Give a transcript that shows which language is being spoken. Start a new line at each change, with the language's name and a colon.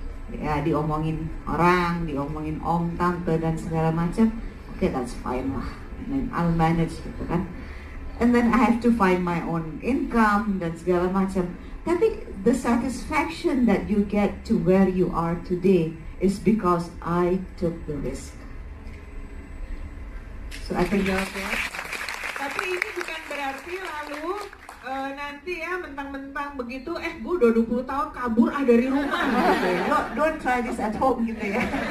Indonesian: Ya diomongin orang, diomongin om, tante dan segala macam.
English: Okay, that's fine lah. And then I'll manage gitu kan. And then I have to find my own income
Indonesian: dan segala macam.
English: Tapi the satisfaction that you get to where you are today is because I took the risk. So I think that's it.
Indonesian: Tapi ini bukan berarti lalu nanti ya mentang-mentang begitu gue udah 20 tahun kabur dari rumah.
English: No, don't try this at home gitu ya.